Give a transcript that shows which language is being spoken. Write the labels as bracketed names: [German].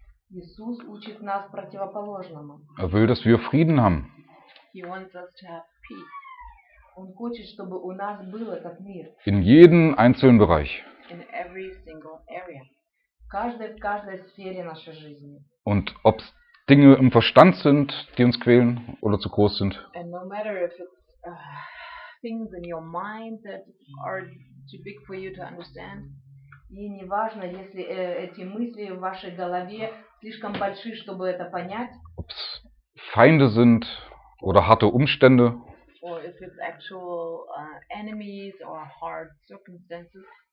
[Russian] Jesus учит нас противоположному. [German] Er will, dass wir Frieden haben. [English] He wants us to have peace. [Russian] Он хочет, чтобы у нас был этот мир. [German] In jedem einzelnen Bereich. [English] In every single area. [Russian] В каждой сфере нашей жизни. [German] Und ob Dinge im Verstand sind, die uns quälen oder zu groß sind. [English] And no matter if it's things in your mind that are too big for you to understand. [Russian] И неважно, если эти мысли в вашей голове слишком большие, чтобы это понять. [German] Ob es Feinde sind oder harte Umstände. [English] Or if it's actual enemies or hard circumstances.